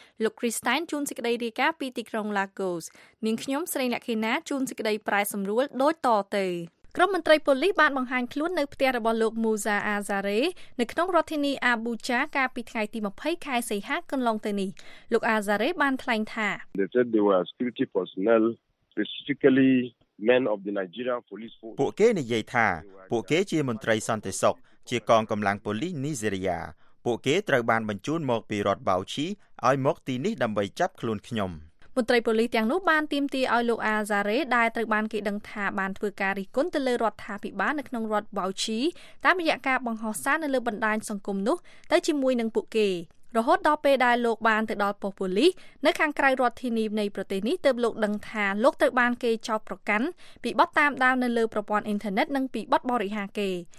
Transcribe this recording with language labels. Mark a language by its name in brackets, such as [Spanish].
[Khmer] លោក Christine ជួនសេចក្តីរាយការណ៍ពីទីក្រុង Lagos នាងខ្ញុំស្រីលក្ខិណាជួនសេចក្តីប្រែសម្រួលដូចតទៅក្រុមមន្ត្រីប៉ូលីសបានបង្ហាញខ្លួននៅផ្ទះរបស់លោក Musa Azare នៅក្នុងរដ្ឋធានី Abuja កាលពីថ្ងៃទី20ខែសីហាកន្លងទៅនេះលោក Azare បានថ្លែងថា [English] They said they were security personnel specifically men of the Nigerian police force [Khmer] ពួកគេនិយាយថាពួកគេជាមន្ត្រីសន្តិសុខជាកងកម្លាំងប៉ូលីសនីជេរីយ៉ាពួកគេត្រូវបានបញ្ជូនមកពីរដ្ឋ Bauchi ឲ្យមកទីនេះដើម្បីចាប់ខ្លួនខ្ញុំ មន្ត្រីប៉ូលីសទាំងនោះបានទីមទីឲ្យលោកអាសារ៉េដែលត្រូវបានគេដឹងថាបានធ្វើការរិះគន់ទៅលើរដ្ឋាភិបាលនៅក្នុងរដ្ឋបាវឈីតាមរយៈការបង្ហោះសារនៅលើបណ្ដាញសង្គមនោះទៅជាមួយនឹងពួកគេរហូតដល់ពេលដែលលោកបានទៅដល់ប៉ូលីសនៅខាងក្រៅរដ្ឋធានីនៃប្រទេសនេះទើបលោកដឹងថាលោកត្រូវបានគេចោទប្រកាន់ពីបទតាមដាននៅលើប្រព័ន្ធអ៊ីនធឺណិតនិងពីបទបរិហារគេ